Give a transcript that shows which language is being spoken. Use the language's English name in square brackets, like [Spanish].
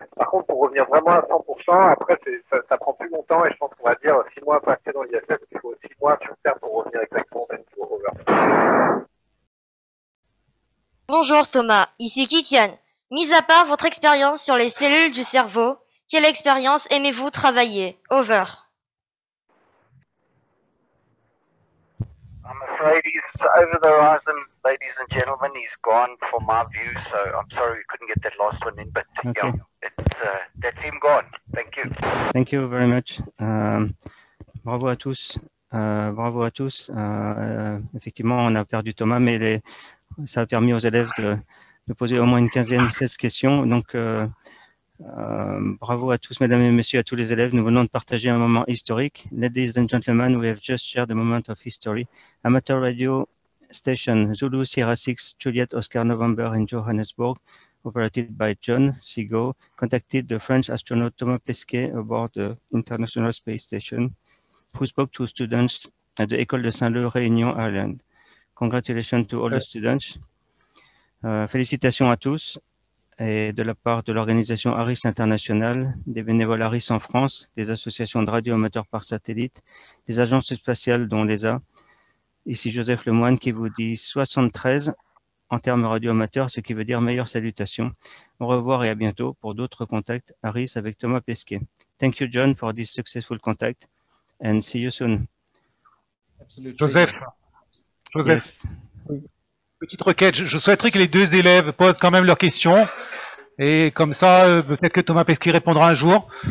[French] Par contre, pour revenir vraiment à 100%, après, ça prend plus longtemps et je pense qu'on va dire 6 mois passés dans l'ISS, il faut 6 mois sur Terre pour revenir exactement au même niveau. [English] Over. [French] Bonjour Thomas, ici Kitian. Mis à part votre expérience sur les cellules du cerveau, quelle expérience aimez-vous travailler? [English] Over. I'm afraid he's over the horizon, ladies and gentlemen. He's gone for my view, so I'm sorry we couldn't get that last one in, but okay. Yeah, that's him gone. Thank you. Thank you very much. [French] Bravo à tous. Bravo à tous. Effectivement, on a perdu Thomas, mais ça a permis aux élèves de poser au moins une 15-16 questions. Donc, bravo à tous, mesdames et messieurs, à tous les élèves. Nous venons de partager un moment historique. [English] Ladies and gentlemen, we have just shared a moment of history. Amateur radio station Zulu Sierra 6 Juliet Oscar November in Johannesburg, operated by John Sigo, contacted the French astronaut Thomas Pesquet aboard the International Space Station. who spoke to students at the École de Saint-Leu Réunion Island. Congratulations to all the students. [French] Félicitations à tous. Et de la part de l'organisation ARIS International, des bénévoles ARIS en France, des associations de radioamateurs par satellite, des agences spatiales dont l'ESA, ici Joseph Lemoine qui vous dit 73 en termes radioamateurs, ce qui veut dire meilleure salutation. Au revoir et à bientôt pour d'autres contacts ARIS avec Thomas Pesquet. [English] Thank you John for this successful contact and see you soon. Absolutely. Joseph. Yes. [French] Petite requête, je souhaiterais que les deux élèves posent quand même leurs questions et comme ça, peut-être que Thomas Pesquet répondra un jour.